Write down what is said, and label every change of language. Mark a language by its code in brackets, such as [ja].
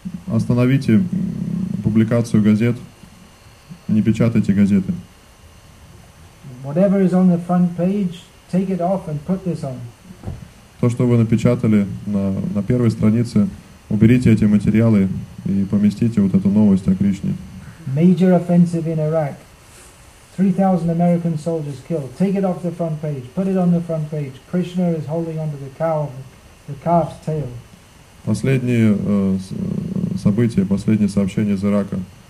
[ru] Остановите публикацию газет, не печатайте газеты. [en] Whatever is on the front page, take it off and put this on. [ru] То, что вы напечатали на первой странице, уберите эти материалы и поместите вот эту новость о Кришне. [en] Major offensive in Iraq. 3,000 American soldiers killed. Take it off the front page. Put it on the front page. Krishna is holding onto the calf's tail. [ru] Последние события, последние сообщения из Ирака.